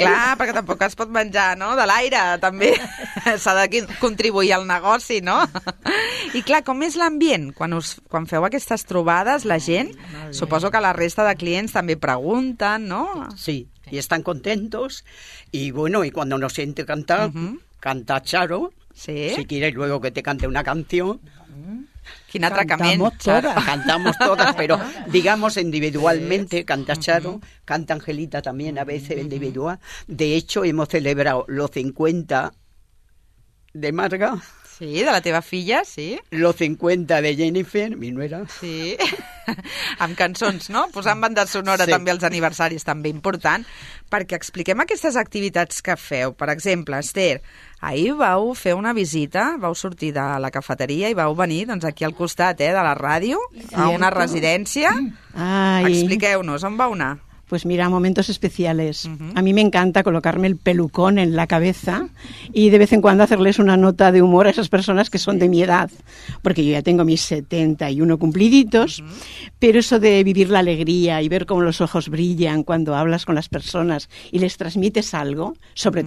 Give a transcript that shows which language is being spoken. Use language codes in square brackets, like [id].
[ca] Clar, perquè tampoc es pot menjar, no?, de l'aire, també. S'ha de contribuir al negoci, no? I clar, com és l'ambient? Quan feu aquestes trobades, la gent, suposo que la resta de clients també pregunten, no? [es] Sí, y están contentos. Y bueno, y cuando nos siente cantar, canta Charo. Sí. Si quieres luego que te cante una canción. ¿Quién atracamento? Cantamos todas, pero digamos individualmente, canta Charo, canta Angelita también a veces individual. De hecho, hemos celebrado los 50 de Marga. [ca] Sí, de la teva filla, sí. [es] Los 50 de Jennifer, mi nuera. [ca] Sí, amb cançons, no? Posant banda sonora, sí. També els aniversaris, també important. Perquè expliquem aquestes activitats que feu. Per exemple, Esther, ahir vau fer una visita, vau sortir de la cafeteria i vau venir doncs, aquí al costat de la ràdio, a una residència. Ai. Expliqueu-nos, on vau anar? [es] Pues mira, momentos especiales. Uh-huh. A mí me encanta colocarme el pelucón en la cabeza y de vez en cuando hacerles una nota de humor a esas personas que son de mi edad, porque yo ya tengo mis 71 cumpliditos, uh-huh. Pero eso de vivir la alegría y ver cómo los ojos brillan cuando hablas con las personas y les transmites algo, sobre uh-huh.